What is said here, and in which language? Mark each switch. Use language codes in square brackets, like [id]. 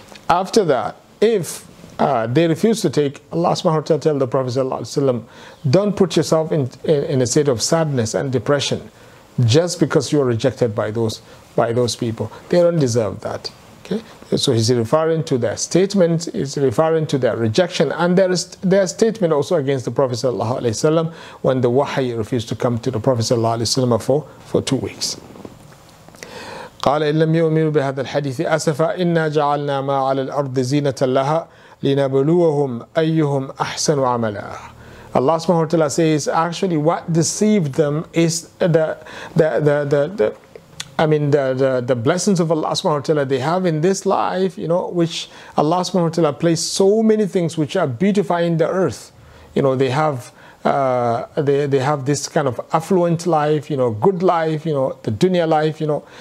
[en] After that, if they refuse to take, Allah subhanahu wa ta'ala tell the Prophet sallallahu alaihi wasallam, don't put yourself in a state of sadness and depression just because you are rejected by those people. They don't deserve that. Okay, so he's referring to their statement, he's referring to their rejection, and their statement also against the Prophet sallallahu alaihi wasallam when the wahy refused to come to the Prophet sallallahu alaihi wasallam for 2 weeks. [ar] قال إن لم يؤمنوا بهذا الحديث أسفا إنا جعلنا ما على الأرض زينة لها لنبلوهم أيهم أحسن عملا. [en] Allah subhanahu wa ta'ala says, actually what deceived them is the blessings of Allah subhanahu wa ta'ala they have in this life, you know, which Allah subhanahu wa ta'ala placed so many things which are beautifying the earth. You know, they have they have this kind of affluent life, you know, good life, you know, the dunya life, you know.